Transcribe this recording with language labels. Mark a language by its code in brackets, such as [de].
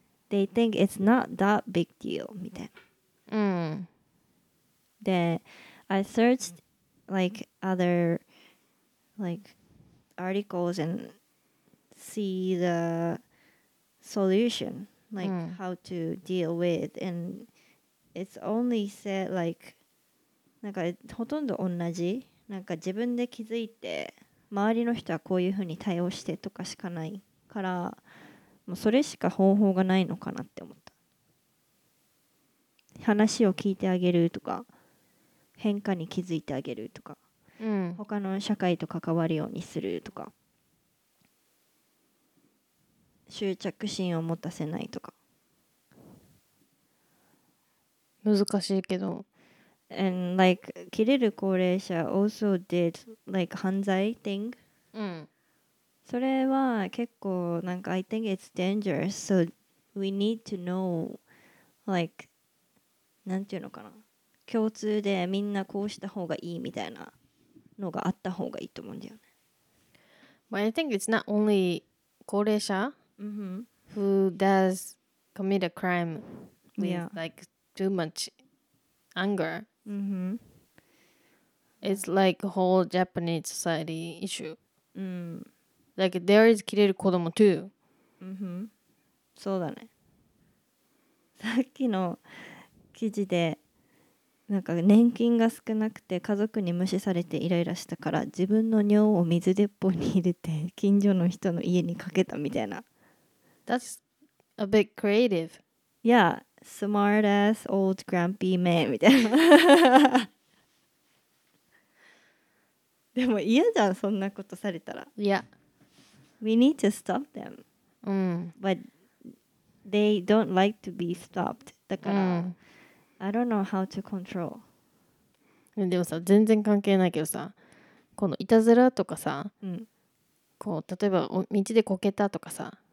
[en] they think it's not that big deal [ja] みたいな、うん、 [en] で I searchedLike other like articles and see the solution like、mm. how to deal with and it's only said like [ja] なんかほとんど同じなんか自分で気づいて周りの人はこういうふうに対応してとかしかないからもうそれしか方法がないのかなって思った話を聞いてあげるとか変化に気づいてあげるとか、うん、他の社会と関わるようにするとか執着心を持たせないとか難しいけど [en] And like 切れる高齢者 also did like 犯罪 thing、うん、 [ja] それは結構なんか [en] I think it's dangerous so we need to know like [ja] なんていうのかな共通でみんなこうした方がいいみたいなのがあった方がいいと思うんだよね。 [en] Well, I think it's not only 高齢者、 mm-hmm. who does commit a crime with、 yeah. like too much anger.、 Mm-hmm. It's like a whole Japanese society issue.、 Mm. Like, there is キレる子供 too. [ja] Mm-hmm. そうだね。さっきの記事で、なんか年金が少なくて家族に無視されてイライラしたから自分の尿を水鉄砲に入れて近所の人の家にかけたみたいな。 [en] That's a bit creative. Yeah, smart ass old grumpy man [ja] みたいな。でも嫌じゃん、そんなことされたら。 Yeah. [en] We need to stop them.、 Mm. But they don't like to be stopped. [ja] だから、mm. [en] I don't know how to control. [ja] でもさ、全然関係ないけどさ、このいたずらとかさ、 mm. こう、例えば道でこけたとかさ、